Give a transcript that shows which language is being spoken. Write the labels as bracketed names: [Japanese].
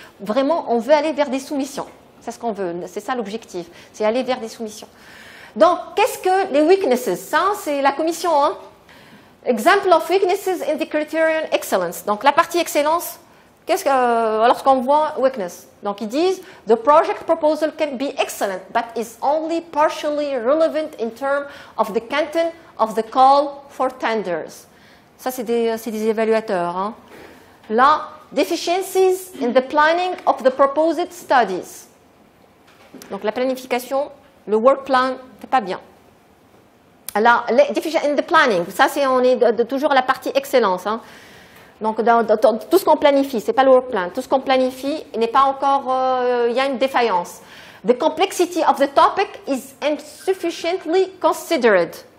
[French] Vraiment, on veut aller vers des soumissions. C'est ce qu'on veut. C'est ça l'objectif. C'est aller vers des soumissions. Donc, qu'est-ce que les weaknesses ? Ça, c'est la commission, hein. [English] Example of weaknesses in the criterion excellence. [French] Donc, la partie excellence, qu'est-ce que, lorsqu'on voit weakness. Donc, ils disent, [English] the project proposal can be excellent, but is only partially relevant in terms of the content of the call for tenders. [French] Ça, c'est des évaluateurs. Hein. Là, [English] deficiencies in the planning of the proposed studies. [French] Donc, la planification, le work plan, c'est pas bien. Alors, [English] deficiency in the planning, [French] ça, c'est on est de toujours la partie excellence. Hein. Donc, tout ce qu'on planifie, ce n'est pas le work plan, tout ce qu'on planifie n'est pas encore, il y a une défaillance. [English] The complexity of the topic is insufficiently considered.